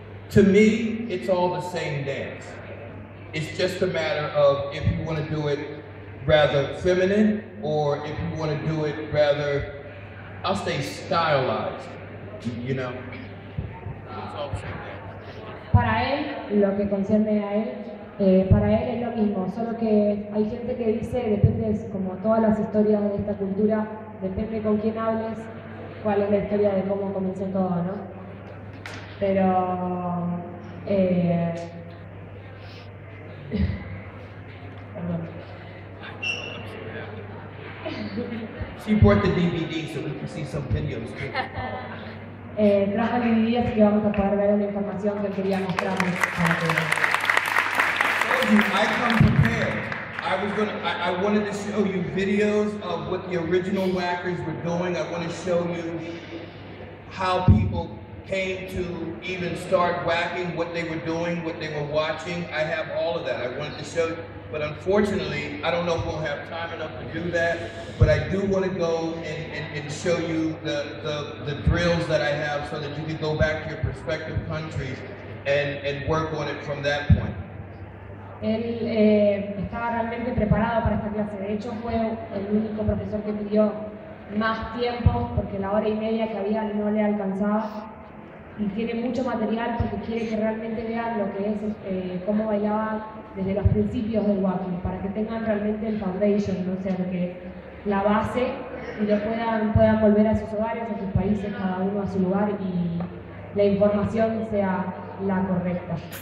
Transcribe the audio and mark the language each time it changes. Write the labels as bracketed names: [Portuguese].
[English] To me, it's all the same dance. It's just a matter of if you want to do it rather feminine or if you want to do it rather, I'll say stylized, you know? It's all the same dance. [Spanish] Para él, lo que concierne a él, para él es lo mismo, solo que hay gente que dice, depende, como todas las historias de esta cultura, depende con quién hables, cuál es la historia de cómo comenzó todo, ¿no? Pero, perdón. [English] She brought the DVD so we can see some videos too. [Spanish] Trajo el DVD así que vamos a poder ver la información que quería mostrarles para que... [English] I come prepared. I wanted to show you videos of what the original whackers were doing. I want to show you how people came to even start whacking, what they were doing, what they were watching. I have all of that. I wanted to show you. But unfortunately, I don't know if we'll have time enough to do that. But I do want to go and show you the drills that I have so that you can go back to your prospective countries and work on it from that point. [Spanish] Él estaba realmente preparado para esta clase. De hecho, fue el único profesor que pidió más tiempo porque la hora y media que había no le alcanzaba. Y tiene mucho material porque quiere que realmente vean lo que es, cómo bailaba desde los principios del walking, para que tengan realmente el foundation, ¿no? O sea, lo que es la base y lo puedan volver a sus hogares, a sus países, cada uno a su lugar y la información sea la correcta.